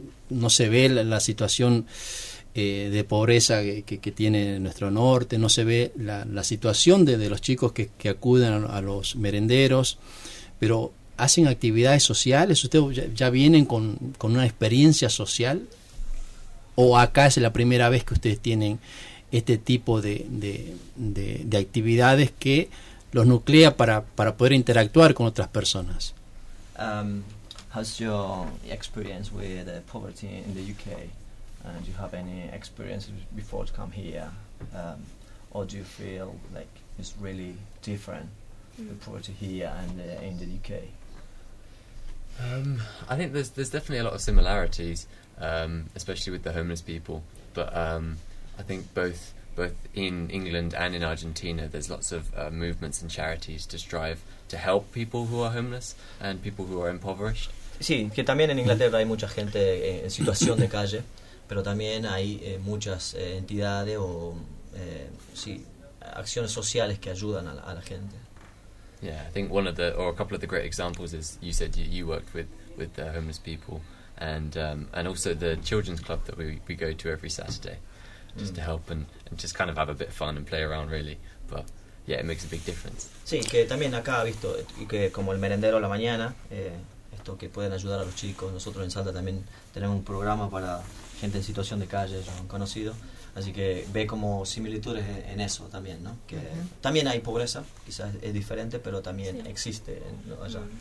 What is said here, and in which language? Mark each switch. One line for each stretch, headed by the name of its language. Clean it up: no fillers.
Spanish: No se ve la situación de pobreza que tiene nuestro norte, no se ve la situación de los chicos que acuden a los merenderos, pero ¿hacen actividades sociales? ¿Ustedes ya vienen con una experiencia social? ¿O acá es la primera vez que ustedes tienen este tipo de actividades que los nuclea para poder interactuar con otras personas?
English: How's your experience with poverty in the UK? Do you have any experiences before to come here? Or do you feel like it's really different, the poverty here and in the UK? I think there's definitely a lot of similarities, especially with the homeless people, but I think both in England and in Argentina, there's lots of movements and charities to strive to help people who are homeless and people who are impoverished.
Spanish: Sí, que también en Inglaterra hay mucha gente en situación de calle, pero también hay muchas entidades o sí, acciones sociales que ayudan a la gente.
English: Yeah, I think one of the, or a couple of the great examples is, you said you worked with the homeless people and also the children's club that we go to every Saturday. Just to help and just kind of have a bit of fun and play around, really. But yeah, it makes a big difference.
Spanish: Sí, que también acá ha visto que como el merendero a la mañana, esto que pueden ayudar a los chicos. Nosotros en Salta también tenemos un programa para gente en situación de calle, yo han conocido. Así que ve como similitudes en eso también, ¿no? Que también hay pobreza, quizás es diferente, pero también existe allá.